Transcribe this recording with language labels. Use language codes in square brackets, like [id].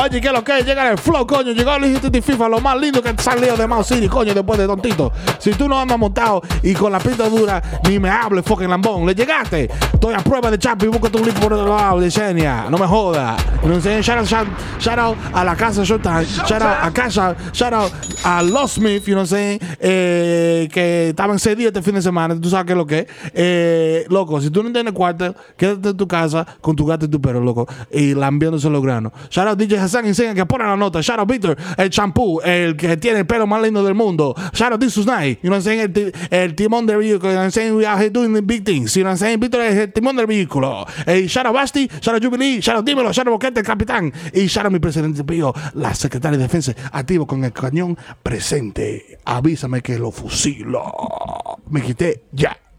[es] Oye, que lo que llega el flow, coño. Llegó el hijito de FIFA, lo más lindo que salió de Mouse City, coño, después de Don Tito. Si tú no andas montado y con la pinta dura, ni me hables, fucking lambón. Le llegaste. Estoy a prueba de chapi, busco tu clip por el lado de Xenia. No me joda. [en] You know what I'm saying? Shout out a la casa Showtime. Shout out a Casha. Shout out a Los Smith, you know what I'm saying? [es] Que estaban cedidos este fin de semana. Tú sabes qué es lo que es. Loco, si tú no tienes cuarto, quédate en tu casa con tu gato y tu perro, loco. Y lambiéndose los granos. [en] Shout out [es] DJ Hassan Insane, que pone la nota. [en] Shout out [es] Victor, el champú, el que tiene el pelo más lindo del mundo. [en] Shout out Jesus Night, you know what I'm saying? [es] El timón del vehículo. [en] You know what I'm saying? We are here doing the big things. You know what I'm saying? [es] Victor es el timón del vehículo. [en] Shout out Basti, shout out Jubilee, shout out Dímelo, shout out Boquete, el capitán. [es] Y [en] shout out [es] mi presidente Pío, la secretaria de defensa, activo con el cañón presente. Avísame que lo fusilo. Me quité ya.